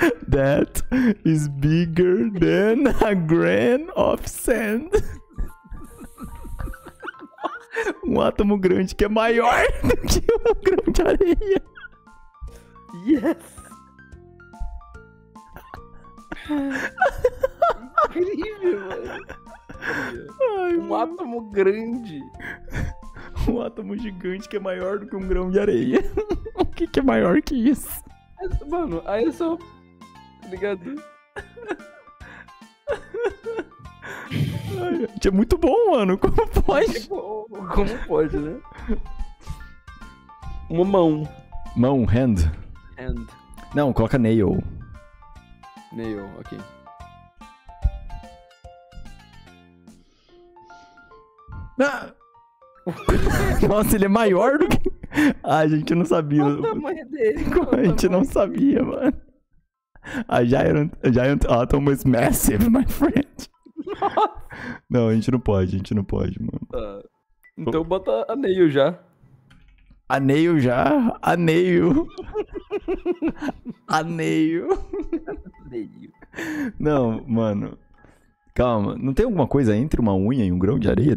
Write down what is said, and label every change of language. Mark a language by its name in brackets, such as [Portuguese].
[English] That is bigger than a grain of sand. [Portuguese] Um átomo grande que é maior do que um grão de areia. [English] Yes! [Portuguese] Incrível, velho! Um átomo grande. Um átomo gigante que é maior do que um grão de areia. O que que é maior que isso? Mano, aí eu só... Tá ligado? É muito bom, mano. Como pode? Como pode, né? Uma mão. Mão, hand. [English] Hand. [Portuguese] Não, coloca nail. [English] Nail, ok. [Portuguese] Ah! Nossa, ele é maior do que... Ai, a gente não sabia. Qual o tamanho dele? A gente não sabia, mano. [English] A giant atom is massive, my friend. [Portuguese] Nossa. Não, a gente não pode, mano. Então bota a nail já. A nail já? A nail. A nail. [English] A nail. [Portuguese] Não, mano. Calma, não tem alguma coisa entre uma unha e um grão de areia?